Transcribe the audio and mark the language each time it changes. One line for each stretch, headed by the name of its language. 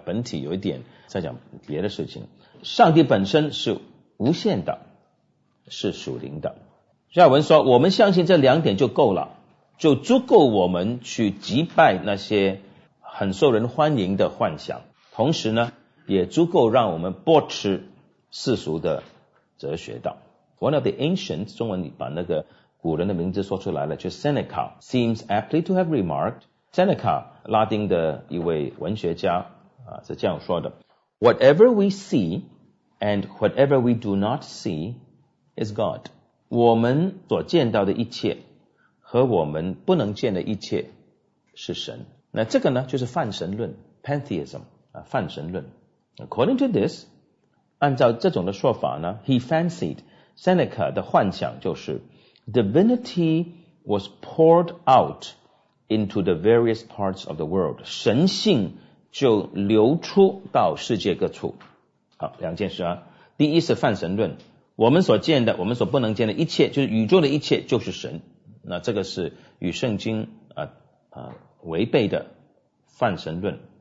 Chinese: 本体有一点在讲别的事情。上帝本身是无限的，是属灵的。加尔文说，我们相信这两点就够了，就足够我们去击败那些很受人欢迎的幻想，同时呢，也足够让我们驳斥世俗的哲学道。
English: One of the ancient,
Chinese: 中文把那个古人的名字说出来了，就
English: Seneca seems aptly to have remarked, Seneca,
Chinese: 拉丁的一位文学家是这样说的，
English: Whatever we see and whatever we do not see is God.
Chinese: 我们所见到的一切和我们不能见的一切是神。那这个呢，就是泛神论 Pantheism, 泛神论。
English: According to this,
Chinese: 按照这种的说法呢，
English: he fancied, Seneca
Chinese: 的幻想就是
English: Divinity was poured out into the various parts of the world.
Chinese: 神性就流出到世界各处。好，两件事啊。第一是泛神论，我们所见的，我们所不能见的一切，就是宇宙的一切就是神。那这个是与圣经违背的泛神论。